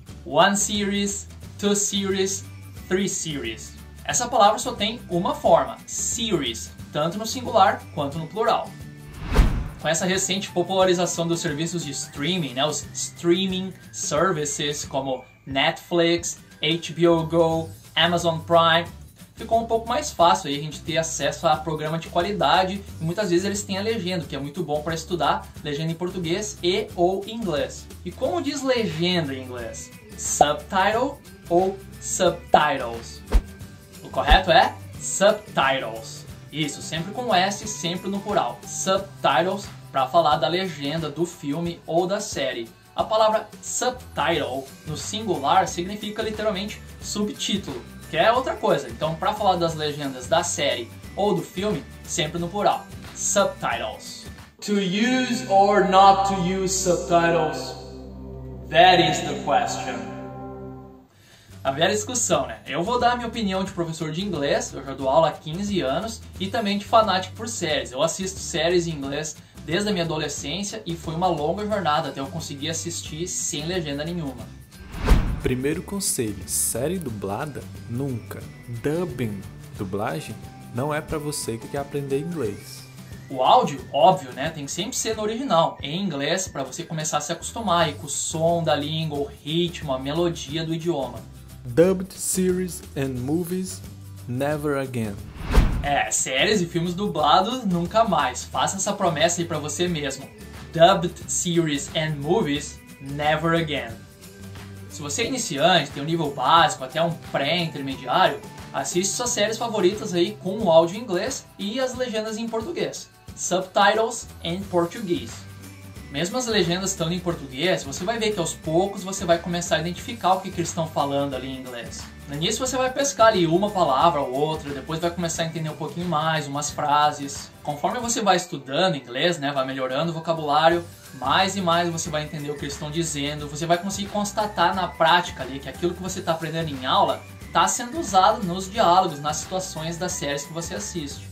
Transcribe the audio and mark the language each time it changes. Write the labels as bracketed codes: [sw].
[en] One series, two series, three series. [pt] Essa palavra só tem uma forma, series, tanto no singular quanto no plural. Com essa recente popularização dos serviços de streaming, né, os streaming services como Netflix, HBO Go, Amazon Prime, ficou um pouco mais fácil aí a gente ter acesso a programa de qualidade e muitas vezes eles têm a legenda, que é muito bom para estudar legenda em português e ou inglês. E como diz legenda em inglês? Subtitle ou subtitles? O correto é subtitles. Isso, sempre com S e sempre no plural. Subtitles para falar da legenda do filme ou da série. A palavra subtitle, no singular, significa literalmente subtítulo, que é outra coisa. Então, para falar das legendas da série ou do filme, sempre no plural. Subtitles. [en] To use or not to use subtitles, that is the question. [pt] A velha discussão, né? Eu vou dar a minha opinião de professor de inglês, eu já dou aula há 15 anos, e também de fanático por séries. Eu assisto séries em inglês desde a minha adolescência e foi uma longa jornada até eu conseguir assistir sem legenda nenhuma. Primeiro conselho, série dublada? Nunca. Dubbing, dublagem, não é pra você que quer aprender inglês. O áudio, óbvio, né, tem que sempre ser no original, em inglês, pra você começar a se acostumar aí com o som da língua, o ritmo, a melodia do idioma. [en] Dubbed series and movies, never again. [pt] É, séries e filmes dublados, nunca mais. Faça essa promessa aí pra você mesmo. [en] Dubbed series and movies, never again. [pt] Se você é iniciante, tem um nível básico, até um pré-intermediário, assiste suas séries favoritas aí com o áudio em inglês e as legendas em português. [en] Subtitles in Portuguese. [pt] Mesmo as legendas estando em português, você vai ver que aos poucos você vai começar a identificar o que eles estão falando ali em inglês. No início você vai pescar ali uma palavra ou outra, depois vai começar a entender um pouquinho mais, umas frases. Conforme você vai estudando inglês, né, vai melhorando o vocabulário, mais e mais você vai entender o que eles estão dizendo, você vai conseguir constatar na prática ali que aquilo que você está aprendendo em aula está sendo usado nos diálogos, nas situações das séries que você assiste.